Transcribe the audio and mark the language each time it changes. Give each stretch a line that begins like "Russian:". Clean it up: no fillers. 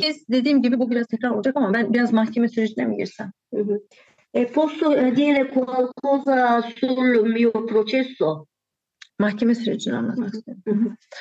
Turkish: Dediğim gibi bu biraz tekrar olacak ama ben biraz mahkeme sürecine mi girsem?
Italian: Posso dire qualcosa sul mio processo?
Turkish: Mahkeme sürecini anlatmak istiyorum.